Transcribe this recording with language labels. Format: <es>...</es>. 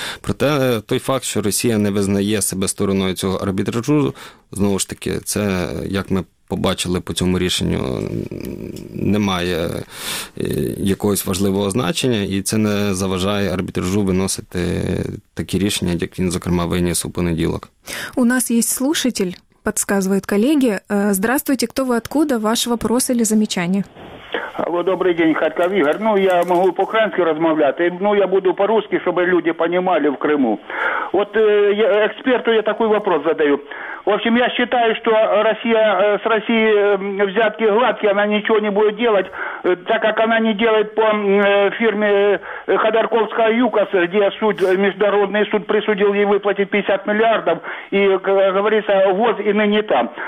<uk>Проте той факт, що Росія не визнає себе стороною цього арбітражу, знову ж таки, це, як ми побачили по цьому рішенню, немає якогось важливого значення, і це не заважає арбітражу виносити такі рішення, як він, зокрема, виніс у понеділок. У нас є слушатель, підказують колеги.</uk> <ru>Здравствуйте,</ru> <uk>хто ви,</uk> <ru>откуда, ваш вопрос или замечание?</ru> <uk>Алло, добрий день, Харків, Ігор. Ну, я можу по-кримськи розмовляти. Ну, я буду по-русски, щоб люди понимали в Криму. От експерту я такий вопрос задаю.</uk> <ru>В общем, я считаю, что Россия с Россией взятки гладкие, она ничего не будет делать, так как она не делает по фирме Ходорковского ЮКОС, где суд, международный суд присудил ей выплатить 50 миллиардов, и, как говорится, ВОЗ и ныне там.</ru>